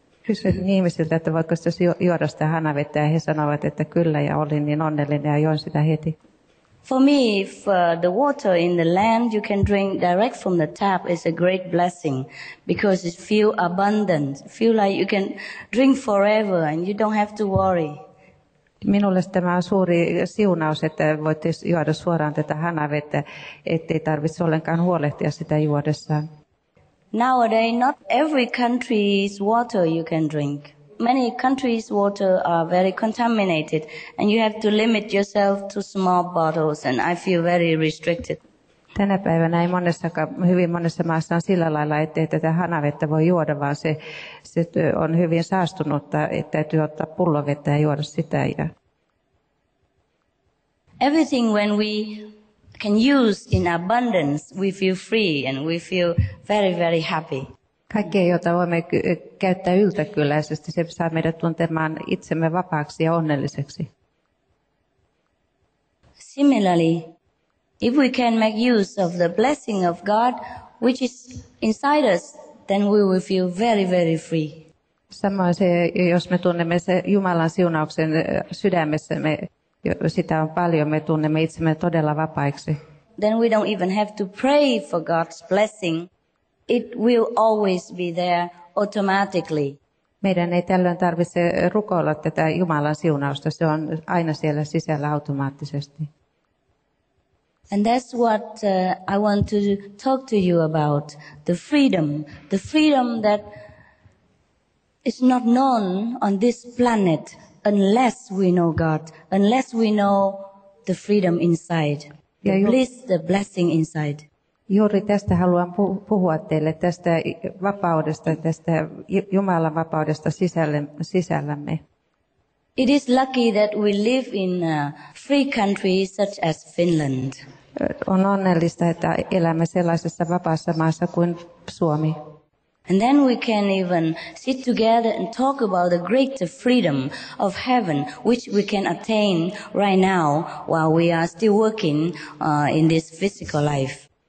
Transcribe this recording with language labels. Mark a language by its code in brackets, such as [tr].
[fi] Kysyin ihmisiltä, että voiko sitä juoda sitä hanavettä, ja he sanovat, että kyllä, ja olin niin onnellinen ja join sitä heti. [en] For me, if the water in the land you can drink direct from the tap is a great blessing because it feels abundant, feel like you can drink forever and you don't have to worry. [fi] Minulle tämä on suuri siunaus, että voitte juoda suoraan tätä hanavettä, ettei tarvitse ollenkaan huolehtia sitä juodessaan. [en] Nowadays, not every country's water you can drink. Many countries' water are very contaminated, and you have to limit yourself to small bottles, and I feel very restricted. [fi] Tänä päivänä ei hyvin monessa maassa on sillä lailla, ettei tätä hanavettä voi juoda, vaan se on hyvin saastunutta, että täytyy ottaa pullovettä ja juoda sitä. [en] Everything when we can use in abundance, we feel free, and we feel very, very happy. [fi] Kaikkea, jota voimme käyttää yltäkylläisesti, se saa meidät tuntemaan itsemme vapaaksi ja onnelliseksi. [en] Similarly, if we can make use of the blessing of God, which is inside us, then we will feel very, very free. [fi] Samoin se, jos me tunnemme se Jumalan siunauksen sydämessä, me sitä on paljon, me tunnemme itsemme todella vapaiksi. [en] Then we don't even have to pray for God's blessing. It will always be there automatically. [fi] Meidän ei tällöin tarvitse rukoilla tätä Jumalan siunausta. Se on aina siellä sisällä automaattisesti. [en] And that's what I want to talk to you about. The freedom that is not known on this planet unless we know God, unless we know the freedom inside, the blessing inside. [fi] Juuri tästä haluan puhua teille, tästä vapaudesta, tästä Jumalan vapaudesta sisällämme. [en] It is lucky that we live in a free country such as Finland. [fi] On onnellista, että elämme sellaisessa vapaassa maassa kuin Suomi. [en] And then we can even sit together and talk about the greater freedom of heaven, which we can attain right now while we are still working in this physical life.